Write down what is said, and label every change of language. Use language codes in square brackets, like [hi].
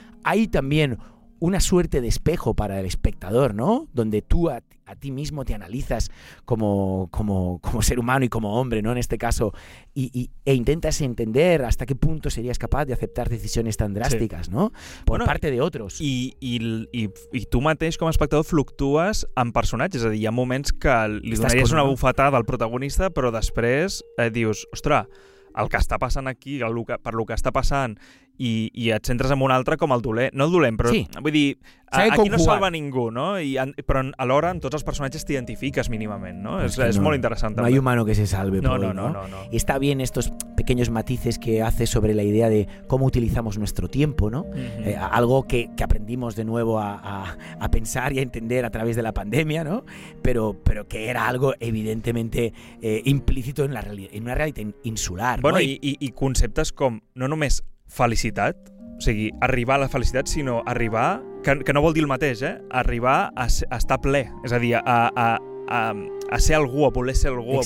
[es] Hay también una suerte de espejo para el espectador, ¿no? Donde tú a ti mismo te analizas como ser humano y como hombre, ¿no? En este caso, e intentas entender hasta qué punto serías capaz de aceptar decisiones tan drásticas, sí, ¿no? Por bueno, parte de otros. [ca] Y tú mateix com a espectador fluctues amb personatges, és a dir, hi ha moments que li donaries una bufetada al protagonista, però després dius, ostres, el que està passant aquí, per lo que està passant, i et centres en un altre com el dolent. No el dolent, però sí. Vull dir, aquí no salva ningú, no? Però alhora amb tots els personatges t'identifiques mínimament, no? És molt interessant. [es] No hay humano que se salve. No. Y está bien estos pequeños matices que hace sobre la idea de cómo utilizamos nuestro tiempo, ¿no? Algo que aprendimos de nuevo a pensar y a entender a través de la pandemia, ¿no? Pero que era algo evidentemente implícito en una realidad insular, ¿no? [ca] Bueno, y conceptes com, no només felicitat, o sigui, arribar a la felicitat, sinó arribar, que no vol dir el mateix, arribar a estar ple, és a dir, a ser algú, a voler ser algú,